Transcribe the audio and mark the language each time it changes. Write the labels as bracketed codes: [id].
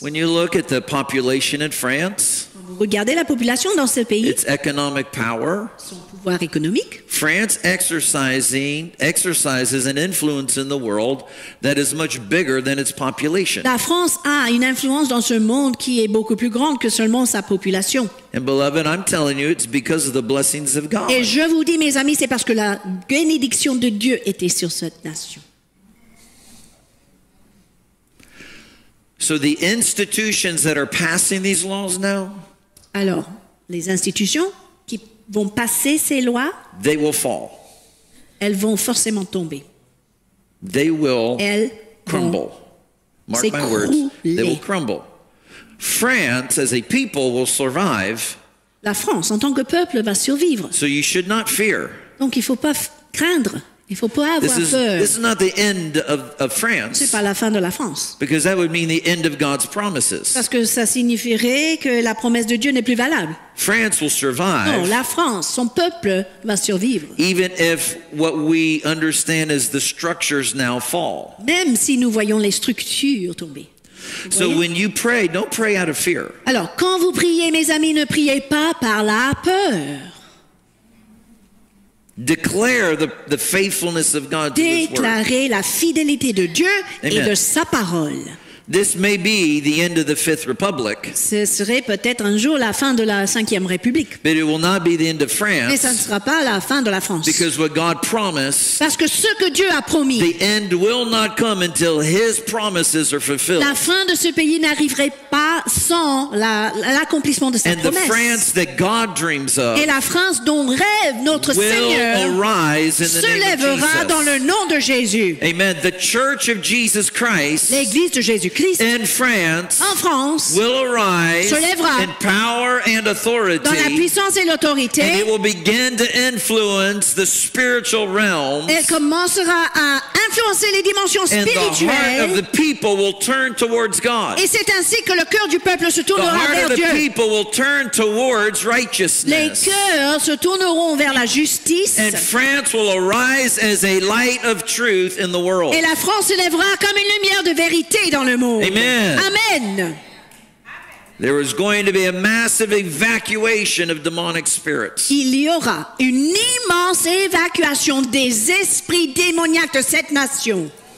[en] When you look at the population in France, [fr] regardez la population dans ce pays. [en] Its economic power, [fr] son pouvoir économique. [en] France exercises an influence in the world that is much bigger than its population. [fr] La France a une influence dans ce monde qui est beaucoup plus grande que seulement sa population. [en] And beloved, I'm telling you, it's because of the blessings of God. [fr] Et je vous dis, mes amis, c'est parce que la bénédiction de Dieu était sur cette nation. [en] So the institutions that are passing these laws now, [fr] alors, les institutions qui vont passer ces lois, [en] they will fall. [fr] Elles vont forcément tomber. [en] They will [fr] elles [en] crumble. [fr] Vont [en] mark my words, they will crumble. France, as a people, will survive. [fr] La France, en tant que peuple, va survivre. [en] So you should not fear. [fr] Donc, il ne faut pas craindre. Il faut pas avoir [en] this is, [fr] peur. [en] This is not the end of France. [fr] C'est pas la fin de la France. [en] Because that would mean the end of God's promises. [fr] Parce que ça signifierait que la promesse de Dieu n'est plus valable. [en] France will survive. [fr] Non, la France, son peuple va survivre. [en] Even if what we understand is the structures now fall. [fr] Même si nous voyons les structures tomber. [en] So when you pray, don't pray out of fear. [fr] Alors, quand vous priez, mes amis, ne priez pas par la peur. [en] Declare the faithfulness of God to his word. [fr] Déclarer la fidélité de Dieu. [en] Amen. [fr] Et de sa parole. [en] This may be the end of the Fifth Republic. [fr] Ce serait peut-être un jour la fin de la Cinquième République. [en] But it will not be the end of France. [fr] Mais ça ne sera pas la fin de la France. [en] Because what God promised. [fr] Parce que ce que Dieu a promis. [en] The end will not come until his promises are fulfilled. [fr] La fin de ce pays n'arriverait pas sans l'accomplissement de sa promesse. [en] And the France that God dreams of. [fr] Et la France dont rêve notre Seigneur se lèvera dans le nom de Jésus. [en] Amen. The Church of Jesus Christ. [fr] L'Église de Jésus. [en] In France, [fr] en France, [en] will arise [fr] se lèvera [en] in power and authority, [fr] dans la puissance et l'autorité, [en] and it will begin to influence the spiritual realms. [fr] Elle commencera à influencer les dimensions spirituelles. [en] And the heart of the people will turn towards God. [fr] Et c'est ainsi que le cœur du peuple se tournera vers Dieu. [en] The heart of the people will turn towards righteousness. [fr] Les cœurs se tourneront vers la justice. [en] And France will arise as a light of truth in the world. [fr] Et la France se lèvera comme une lumière de vérité. [en] Amen. [fr] Amen. [en] There is going to be a massive evacuation of demonic spirits. [fr] Il y aura une immense évacuation des esprits démoniaques de cette nation.